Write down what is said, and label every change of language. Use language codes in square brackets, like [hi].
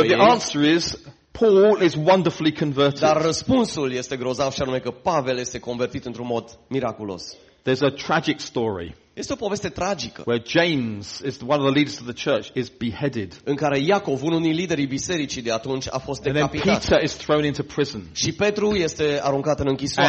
[en] ei. But the answer is Paul is wonderfully converted. [ro] Dar răspunsul este grozav, și anume că Pavel este convertit într-un mod miraculos. [en] There's a tragic story. [ro] Este o poveste tragică. [en] Where James is one of the leaders of the church is beheaded. [ro] În care Iacov, unul din liderii bisericii de atunci, a fost decapitat. [en] And then Peter is thrown into prison. [ro] Și Petru este aruncat în închisoare.